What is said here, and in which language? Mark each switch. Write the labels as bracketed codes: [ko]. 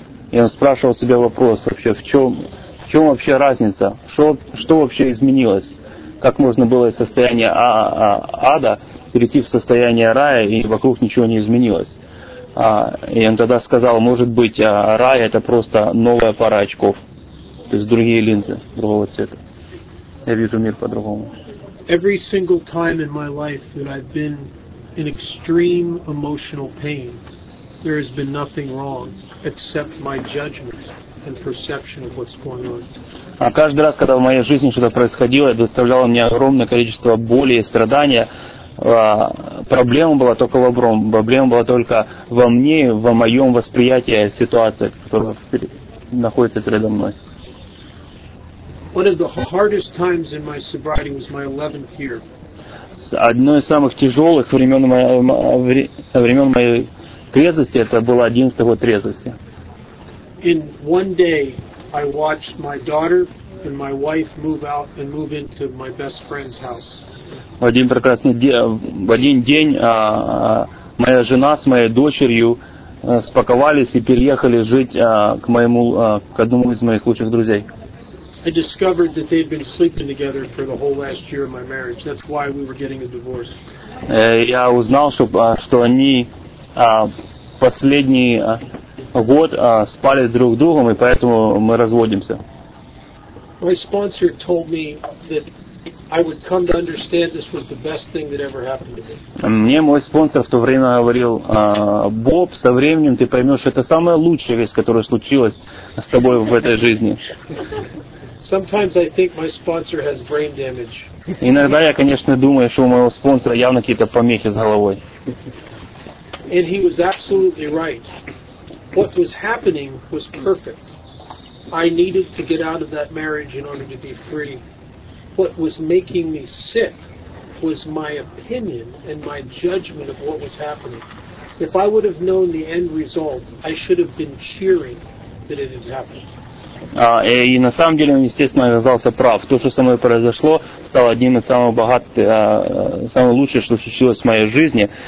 [ru] И он спрашивал себя вопрос вообще, в чем вообще разница, что вообще изменилось, как можно было из состояния ада перейти в состояние рая, и вокруг ничего не изменилось. И он тогда сказал, может быть, рай это просто новая пара очков, то есть другие линзы, другого цвета. Я вижу мир по-другому. [en] Every single time in my life that I've been in extreme emotional pain, there has been nothing wrong except my judgment. and perception of what's going on. [ru] А каждый раз, когда в моей жизни что-то происходило, это доставляло мне огромное количество боли и страдания. Проблема была только во мне, во моем восприятии ситуации, которая находится передо мной. [en] One of the hardest times in my sobriety was my 11th year. [ru] Одно из самых тяжелых времен моей трезвости это было 11-й год трезвости. [en] In one day, I watched my daughter and my wife move out and move into my best friend's house. [ru] В один день моя жена с моей дочерью спаковались и переехали жить к одному из моих лучших друзей. [en] I discovered that they've been sleeping together for the whole last year of my marriage. That's why we were getting a divorce. [ru] Я узнал, что они последний год спали друг с другом, и поэтому мы разводимся. [en] My sponsor told me that I would come to understand this was the best thing that ever happened to me. [ru] Мне мой спонсор в то время говорил: Боб, со временем ты поймешь, что это самая лучшая вещь, которая случилась с тобой в этой жизни. [en] Sometimes I think my sponsor has brain damage. [ru] Иногда я, конечно, думаю, что у моего спонсора явно какие-то помехи с головой. [en] And he was absolutely right. What was happening was perfect. I needed to get out of that marriage in order to be free. What was making me sick was my opinion and my judgment of what was happening. If I would have known the end result, I should have been cheering that it had happened. [ru] И на самом деле он, естественно, оказался прав. То, что со мной произошло, стало одним из самых богатых, самых лучших, что случилось в моей жизни.